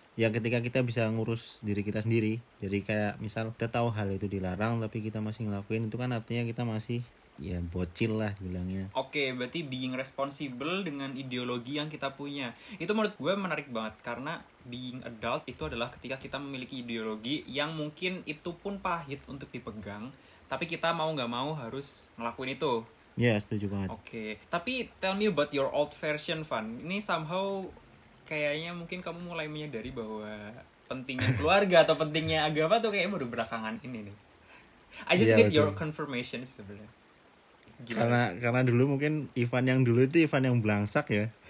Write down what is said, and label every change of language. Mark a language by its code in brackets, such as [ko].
[id] Ya ketika kita bisa ngurus diri kita sendiri, jadi kayak misal kita tahu hal itu dilarang tapi kita masih ngelakuin, itu kan artinya kita masih ya bocil lah bilangnya. Oke, berarti [en] being responsible [id] dengan ideologi yang kita punya. Itu menurut gue menarik banget, karena [en] being adult [id] itu adalah ketika kita memiliki ideologi yang mungkin itu pun pahit untuk dipegang, tapi kita mau gak mau harus ngelakuin itu. Ya, yeah, setuju banget. Oke, tapi [en] tell me about your old version, [id] Van. Ini somehow kayaknya mungkin kamu mulai menyadari bahwa pentingnya keluarga atau pentingnya agama tuh kayaknya baru belakangan ini nih. [en] I just need your confirmation [id] sebenarnya. Gila. Karena dulu mungkin Ivan yang dulu itu Ivan yang belangsak ya.